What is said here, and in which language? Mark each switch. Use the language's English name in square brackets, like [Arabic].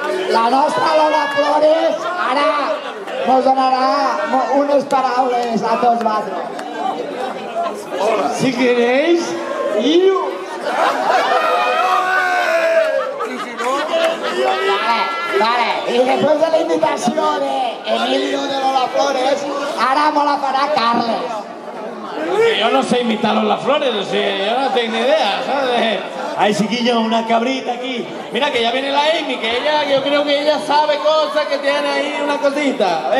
[Spanish] La nuestra Lola Flores ahora nos donará unas palabras a todos vosotros. Si queréis, yo... [Catalan] Vale, vale. I després de la invitació d'Emilio de Lola Flores, ara me la farà Carles. [Spanish] Yo no sé imitar a Lola Flores, o sea, yo no tengo ni idea, ¿sabes? Ay, chiquillo, una cabrita aquí. Mira, que ya viene la Amy, que ella, yo creo que ella sabe cosas, que tiene ahí una cosita.